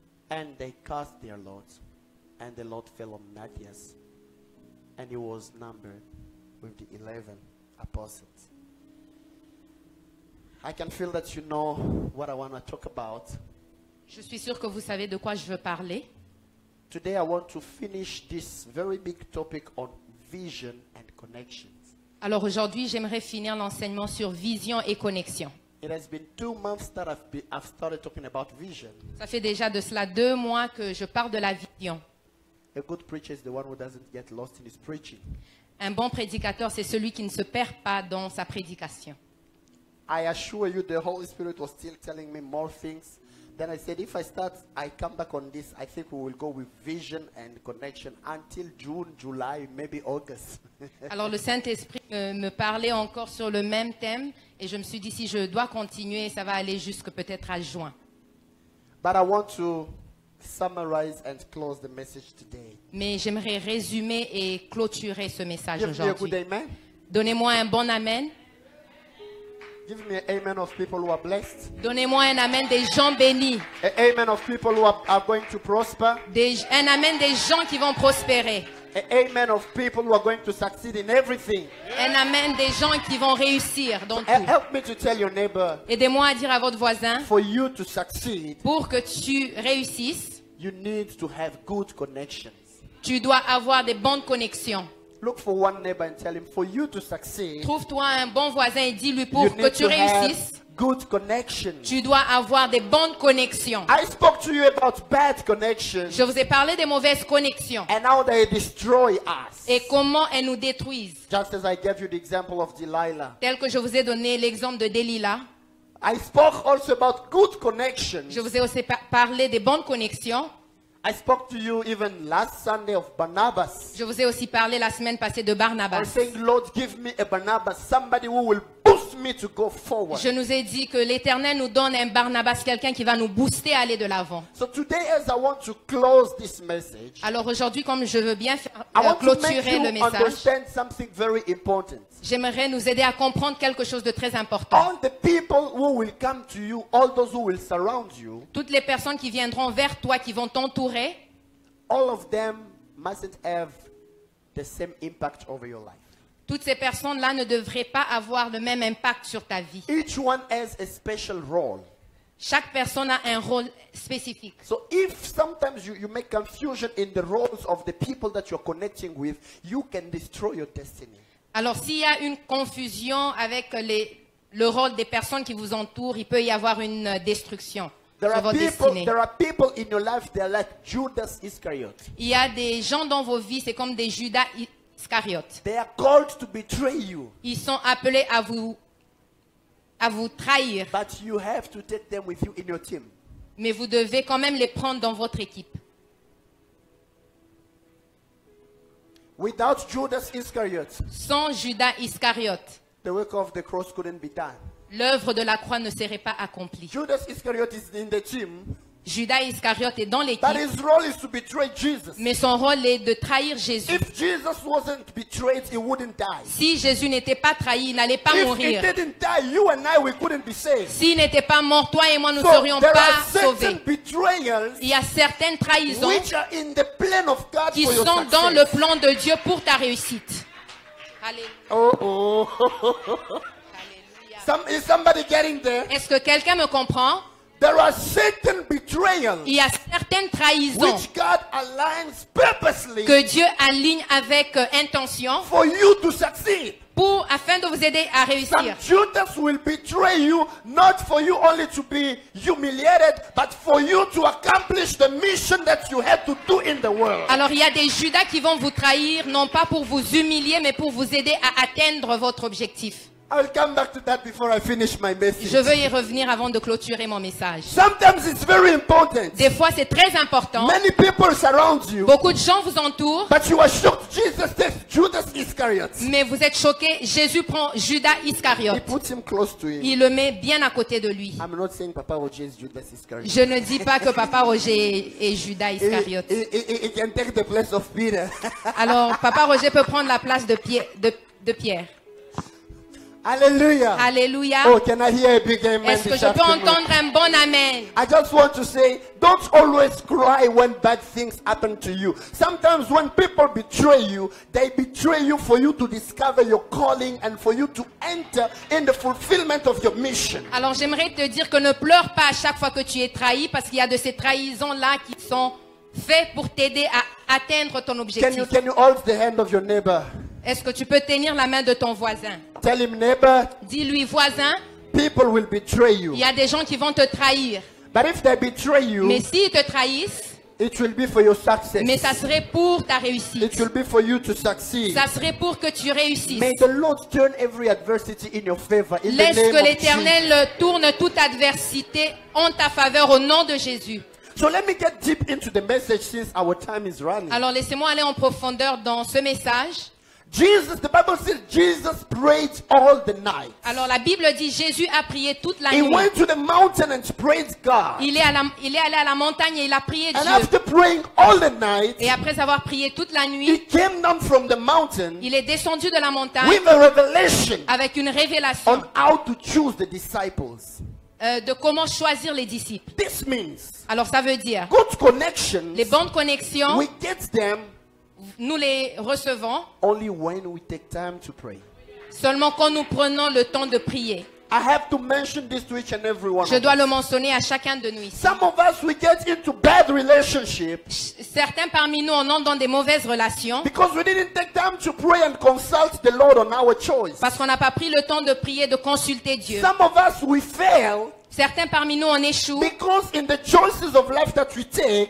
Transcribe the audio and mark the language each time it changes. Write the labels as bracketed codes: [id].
[en] And they cast their lots, and the lot fell on Matthias, and he was numbered with the 11 apostles. I can feel that you know what I want to talk about. [fr] Je suis sûr que vous savez de quoi je veux parler. [en] Today I want to finish this very big topic on vision and connections. [fr] Alors aujourd'hui, j'aimerais finir l'enseignement sur vision et connexion. [en] It has been 2 months that I've started talking about vision. [fr] Ça fait déjà de cela 2 mois que je parle de la vision. [en] A good preacher is the one who doesn't get lost in his preaching. [fr] Un bon prédicateur, c'est celui qui ne se perd pas dans sa prédication. [en] I assure you, the Holy Spirit was still telling me more things. Then I said, if I start, I come back on this, I think we will go with vision and connection until June, July, maybe August. [fr] Alors le Saint-Esprit me parlait encore sur le même thème et je me suis dit, si je dois continuer, ça va aller jusque peut-être à juin. [en] But I want to summarize and close the message today. [fr] Mais j'aimerais résumer et clôturer ce message [en] Give [fr] aujourd'hui. [en] Me a good amen. [fr] Donnez-moi un bon amen. [en] Give me an amen of people who are blessed. [fr] Donnez-moi un amen des gens bénis. [en] An amen of people who are going to prosper. [fr] Un amen des gens qui vont prospérer. [en] An amen of people who are going to succeed in everything. [fr] Un amen des gens qui vont réussir dans tout. [en] Help me to tell your neighbor. [fr] Aidez-moi à dire à votre voisin. [en] For you to succeed. [fr] Pour que tu réussisses. [en] You need to have good connections. [fr] Tu dois avoir des bonnes connexions. [en] Look for one neighbor and tell him for you to succeed. [fr] Trouve-toi un bon voisin et dis-lui pour que tu réussisses. [en] Good connection. [fr] Tu dois avoir des bonnes connexions. [en] I spoke to you about bad connections. [fr] Je vous ai parlé des mauvaises connexions. [en] And how they destroy us. [fr] Et comment elles nous détruisent. [en] Just as I gave you the example of Delilah. [fr] Tel que je vous ai donné l'exemple de Delilah. [en] I spoke also about good connections. [fr] Je vous ai aussi parlé des bonnes connexions. [en] I spoke to you even last Sunday of Barnabas. [fr] Je vous ai aussi parlé la semaine passée de Barnabas. [en] I'm saying, Lord, give me a Barnabas, somebody who will boost me to go forward. [fr] Je nous ai dit que l'Éternel nous donne un Barnabas, quelqu'un qui va nous booster à aller de l'avant. [en] So today, as I want to close this message, [fr] alors aujourd'hui, comme je veux bien clôturer le message, [en] I want to make you understand something very important. [fr] J'aimerais nous aider à comprendre quelque chose de très important. [en] All the people who will come to you, all those who will surround you, [fr] toutes les personnes qui viendront vers toi, qui vont t'entourer, [en] all of them mustn't have the same impact over your life. [fr] Toutes ces personnes-là ne devraient pas avoir le même impact sur ta vie. [en] Each one has a special role. [fr] Chaque personne a un rôle spécifique. [en] So if sometimes you make confusion in the roles of the people that you're connecting with, you can destroy your destiny. [fr] Alors, s'il y a une confusion avec le rôle des personnes qui vous entourent, il peut y avoir une destruction sur votre destinée. [en] There are people in your life, they're like Judas Iscariot. [fr] Il y a des gens dans vos vies, c'est comme des Judas Iscariot. [en] They are called to betray you. [fr] Ils sont appelés à vous trahir. [en] But you have to take them with you in your team. [fr] Mais vous devez quand même les prendre dans votre équipe. [en] Without Judas Iscariot, [fr] sans Judas Iscariot, [en] the work of the cross couldn't be done. [fr] L'œuvre de la croix ne serait pas accomplie. [en] Judas Iscariot is in the team. [fr] Judas Iscariot est dans l'équipe. [en] But his role is to betray Jesus. [fr] Mais son rôle est de trahir Jésus. [en] If Jesus wasn't betrayed, he wouldn't die. [fr] Si Jésus n'était pas trahi, il n'allait pas mourir. [en] If he didn't die, you and I, we couldn't be saved. [fr] S'il n'était pas mort, toi et moi, nous ne serions pas sauvés. [en] Certain betrayals, [fr] il y a certaines trahisons [en] which are in the plan of God [fr] qui [en] for your [fr] sont [en] success. [fr] Dans le plan de Dieu pour ta réussite. Alléluia. Oh, oh. Alléluia. [en] Is somebody getting there? [fr] Est-ce que quelqu'un me comprend? [en] There are certain betrayals. [fr] Il y a certaines trahisons [en] which God aligns purposely [fr] que Dieu aligne avec intention [en] for you to succeed. [fr] Pour afin de vous aider à réussir. [en] Some Judas will betray you not for you only to be humiliated, but for you to accomplish the mission that you had to do in the world. [fr] Alors il y a des Judas qui vont vous trahir non pas pour vous humilier mais pour vous aider à atteindre votre objectif. [en] I'll come back to that before I finish my message. [fr] Je veux y revenir avant de clôturer mon message. [en] Sometimes it's very important. [fr] Des fois, c'est très important. [en] Many people surround you. [fr] Beaucoup de gens vous entourent. [en] But you are shocked. Jesus takes Judas Iscariot. [fr] Mais vous êtes choqué. Jésus prend Judas Iscariot. [en] He puts him close to him. [fr] Il le met bien à côté de lui. [en] I'm not saying Papa Roger is Judas Iscariot. [fr] Je ne dis pas que Papa Roger est Judas Iscariot. [en] He can take the place of Peter. [fr] Alors, Papa Roger peut prendre la place de Pierre. Alléluia. Alléluia. [en] Oh, can I hear a big amen? [fr] Est-ce que je peux entendre un bon amen? [en] I just want to say, don't always cry when bad things happen to you. Sometimes when people betray you, they betray you for you to discover your calling and for you to enter in the fulfillment of your mission. [fr] Alors j'aimerais te dire que ne pleure pas à chaque fois que tu es trahi parce qu'il y a de ces trahisons là qui sont faites pour t'aider à atteindre ton objectif. [en] Can you hold the hand of your neighbor? [fr] Est-ce que tu peux tenir la main de ton voisin? [en] Tell him, neighbor, [fr] dis-lui, voisin, [en] people will betray you. [fr] Il y a des gens qui vont te trahir. [en] But if they betray you, [fr] mais s'ils te trahissent, [en] it will be for your success. [fr] Mais ça serait pour ta réussite. [en] It will be for you to succeed. [fr] Ça serait pour que tu réussisses. [en] May the Lord turn every adversity in your favor. In [fr] laisse [en] the name [fr] que l'Éternel [en] of [fr] tourne toute adversité en ta faveur au nom de Jésus. [en] So let me get deep into the message since our time is running. [fr] Alors laissez-moi aller en profondeur dans ce message. [en] Jesus, the Bible says Jesus prayed all the night. [fr] Alors la Bible dit Jésus a prié toute la [en] he [fr] nuit. [en] He went to the mountain and prayed God. [fr] Il est allé à la montagne et il a prié [en] and [fr] Dieu. [en] And after praying all the night, [fr] et après avoir prié toute la nuit, [en] he came down from the mountain. [fr] Il est descendu de la montagne [en] with a revelation. [fr] Avec une révélation. [en] On how to choose the disciples. [fr] De comment choisir les disciples. [en] This means. [fr] Alors ça veut dire. [en] Good connections. [fr] Les bonnes connexions. [en] We get them. [fr] Nous les recevons [en] only when we take time to pray. [fr] Seulement quand nous prenons le temps de prier. [en] I have to mention this to each and every one. [fr] Je dois le mentionner à chacun de nous ici. [en] Some of us we get into bad relationships. [fr] Certains parmi nous on entre dans des mauvaises relations. [en] Because we didn't take time to pray and consult the Lord on our choice. [fr] Parce qu'on n'a pas pris le temps de prier, de consulter Dieu. [en] Some of us we fail. [fr] Certains parmi nous en échouent. [en] Because in the choices of life that we take,